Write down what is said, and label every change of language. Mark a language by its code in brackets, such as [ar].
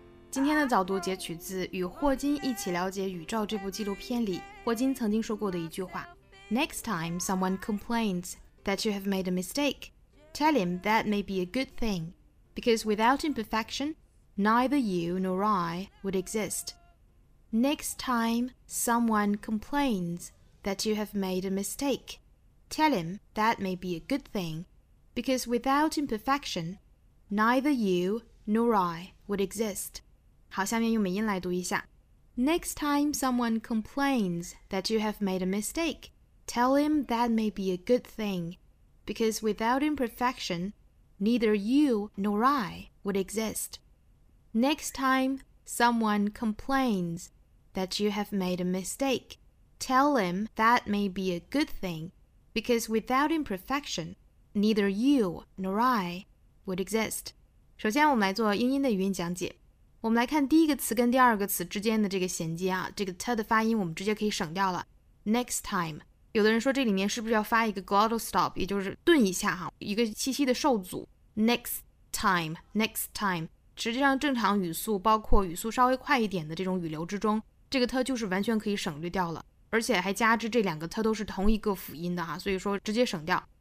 [zh] 今天的早读截取自与霍金一起了解宇宙这部纪录片里霍金曾经说过的一句话。 [en] Next time someone complains that you have made a mistake,Tell him that may be a good thing, because without imperfection, neither you nor I would exist. Next time someone complains that you have made a mistake, tell him that may be a good thing, because without imperfection, neither you nor I would exist. [zh] 好，下面用美音来读一下。 [en] Next time someone complains that you have made a mistake, tell him that may be a good thing. Because without imperfection, neither you nor I would exist. Next time someone complains that you have made a mistake, tell him that may be a good thing. Because without imperfection, neither you nor I would exist. [zh] 首先我们来做英音的语音讲解。我们来看第一个词跟第二个词之间的这个衔接啊，这个 t 的发音我们直接可以省掉了。 [en] Next time. [zh] 有的人说这里面是不是要发一个 glottal stop, 也就是顿一下哈，一个气息的受阻。 [en] Next time, [zh] 实际上正常语速包括语速稍微快一点的这种语流之中，这个 t 就是完全可以省略掉了，而且还加之这两个 t 都是同一个辅音的哈，所以说直接省掉。